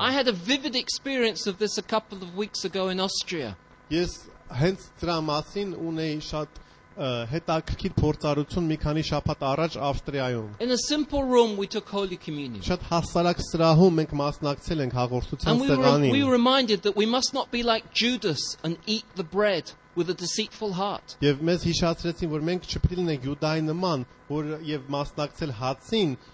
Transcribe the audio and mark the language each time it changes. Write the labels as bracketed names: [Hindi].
[English] I had a vivid experience of this a couple of weeks ago in Austria. [Armenian] Ես հենց դրա մասին ունեի շատ հետաքրքիր փորձառություն մի քանի շաբաթ առաջ Ավստրիայում. [English] In a simple room we took Holy Communion. [Armenian] Շատ հասարակ սրահում մենք մասնակցել ենք հաղորդության սեղանին. [English] And we were reminded that we must not be like Judas and eat the bread with a deceitful heart. [Armenian] Եվ մեզ հիշացրեցին, որ մենք չփրիլն ենք Յուդայի նման, որ եւ մասնակցել հացին